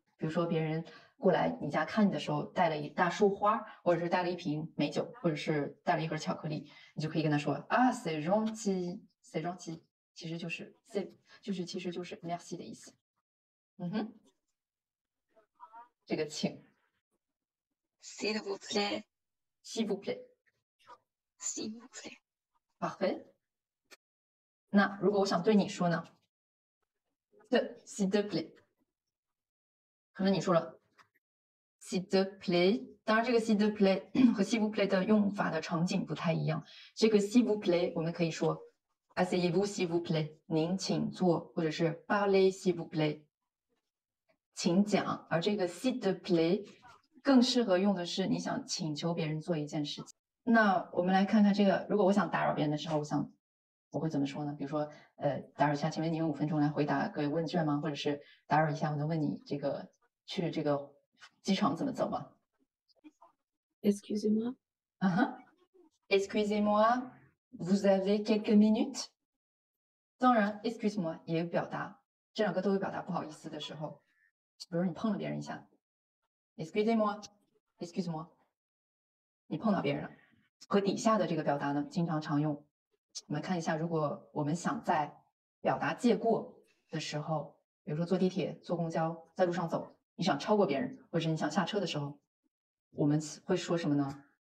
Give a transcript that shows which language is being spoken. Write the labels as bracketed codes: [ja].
[zh] 比如说别人过来你家看你的时候带了一大束花，或者是带了一瓶美酒，或者是带了一盒巧克力，你就可以跟他说啊 [fr] c'est gentil， c'est gentil， [zh] 其实就是 c'est 就是其实就是 merci 的意思。嗯哼，这个请。 [fr] s'il vous plaît， s'il vous plaît， s'il vous plaît， parfait。 [zh] 那如果我想对你说呢，s'il te plaît。可能你说了 s'il te plaît。当然，这个 s'il te plaît 和 s'il vous plaît 的用法的场景不太一样。这个 s'il vous plaît 我们可以说 [fr] asseyez-vous s'il vous plaît， [zh] 您请坐，或者是 [fr] parlez s'il vous plaît， [zh] 请讲。而这个 s'il te plaît 更适合用的是你想请求别人做一件事情。那我们来看看这个，如果我想打扰别人的时候，我会怎么说呢？比如说，打扰一下，请问你用5分钟来回答各位问卷吗？或者是打扰一下，我能问你这个去这个机场怎么走吗？ [fr] Excusez-moi. Excusez-moi, vous avez quelques minutes? [zh] 当然 ，excuse-moi 也有表达，这两个都有表达不好意思的时候，比如你碰了别人一下 ，excusez-moi， 你碰到别人了。和底下的这个表达呢，经常常用。我们看一下，如果我们想在表达借过的时候，比如说坐地铁、坐公交，在路上走，你想超过别人，或者你想下车的时候，我们会说什么呢？